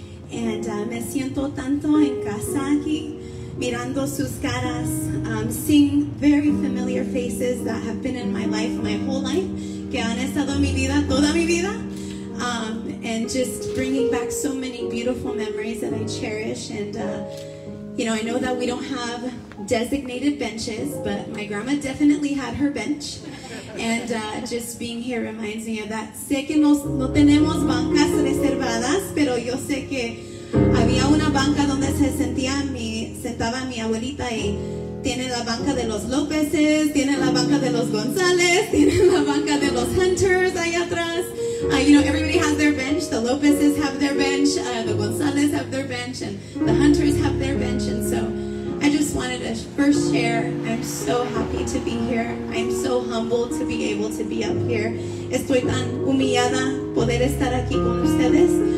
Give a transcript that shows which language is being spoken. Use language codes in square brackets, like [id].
[es] And me siento tanto en casa aquí, mirando sus caras, [en] seeing very familiar faces that have been in my life my whole life, [es] que han estado en mi vida toda mi vida. [en] And just bringing back so many beautiful memories that I cherish. And, you know, I know that we don't have designated benches, but my grandma definitely had her bench. And just being here reminds me of that. [es] Sé que no tenemos bancas reservadas, pero yo sé que había una banca donde se sentaba mi abuelita y tiene la banca de los Lópezes, tiene la banca de los González, tiene la banca de los Hunters allá atrás. [en] You know, everybody has their bench. The Lopez's have their bench. The Gonzalez have their bench. And the Hunters have their bench. And so I just wanted to first share. I'm so happy to be here. I'm so humbled to be able to be up here. [es] Estoy tan humillada poder estar aquí con ustedes.